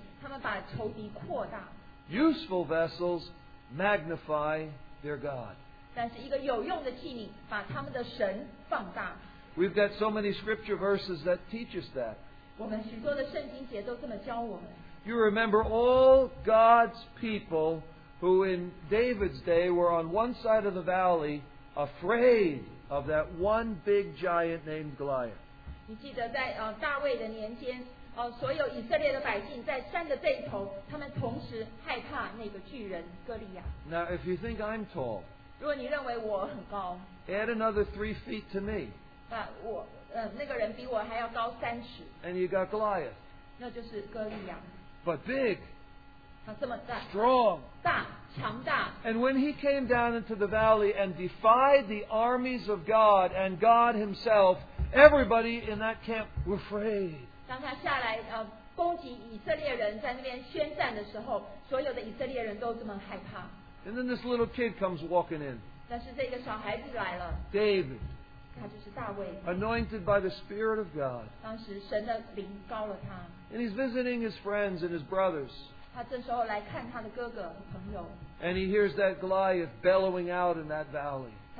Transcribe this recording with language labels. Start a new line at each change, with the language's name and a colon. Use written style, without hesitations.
Chinese: 一个充满恐惧的器皿，他们把仇敌扩大。
English: Useful vessels magnify their God.
Chinese: 但是一个有用的器皿把他们的神放大。
English: We've got so many scripture verses that teach us that.
Chinese: 我们许多的圣经节都这么教我们。
English: You remember all God's people who in David's day were on one side of the valley afraid of that one big giant named Goliath.
Chinese: 你记得在, 大卫的年间, 所有以色列的百姓在山的这一头, 他们同时害怕那个巨人哥利亚。
English: Now, if you think I'm tall,
Chinese: 如果你认为我很高,
English: add another 3 feet to me.
Chinese: 把我, 那个人比我还要高三尺,
English: and you got Goliath.
Chinese: 那就是哥利亚。
English: But big,
Chinese: 他这么大,
English: strong,
Chinese: 大, 强大,
English: and when he came down into the valley and defied the armies of God and God himself, everybody in that camp were afraid.
Chinese: 当他下来, 攻击以色列人在那边宣战的时候,所有的以色列人都这么害怕。
English: And then this little kid comes walking in.
Chinese: 但是这个小孩子来了,
English: David,
Chinese: 他就是大卫,
English: anointed by the Spirit of God.
Chinese: 当时神的灵膏了他,
English: and he's visiting his friends and his brothers.
Chinese: 他这时候来看他的哥哥,
English: and he hears that Goliath bellowing out in that valley.